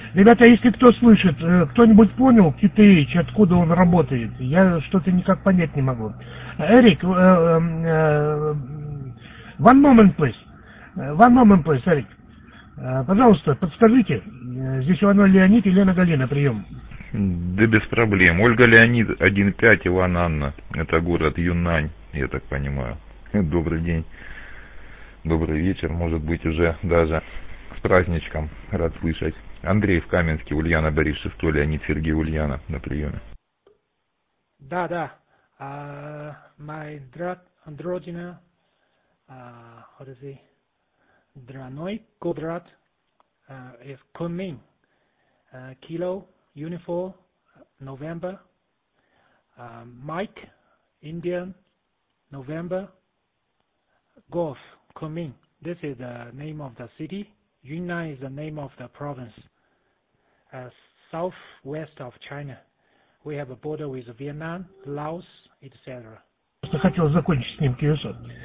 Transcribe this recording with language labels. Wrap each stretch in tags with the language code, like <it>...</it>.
<ru>Ребята, если кто слышит, кто-нибудь понял QTH, откуда он работает? Я что-то никак понять не могу.</ru> <en>Эрик, one moment, please. One moment, please, Эрик.</en> <ru>Пожалуйста, подскажите. Здесь Иван Леонид, Елена Галина, прием. Да без проблем. Ольга Леонид, 1-5, Иван Анна. Это город Юнань, я так понимаю. Добрый день. Добрый вечер, может быть, уже даже с праздничком. Рад слышать. Андрей в Каменске, Ульяна Борисовна, Леонид Сергей Ульяна на приеме. Да, да.</ru> <en>My Дродина, how to say, Драной Кодрат, is Кунмин, Кило, Uniform, November, Mike, Indian, November, Golf, Kunming. This is the name of the city. Yunnan is the name of the province. Southwest of China. We have a border with Vietnam, Laos, etc.</en> <ru>Just хотел закончить с ним кейсом.</ru>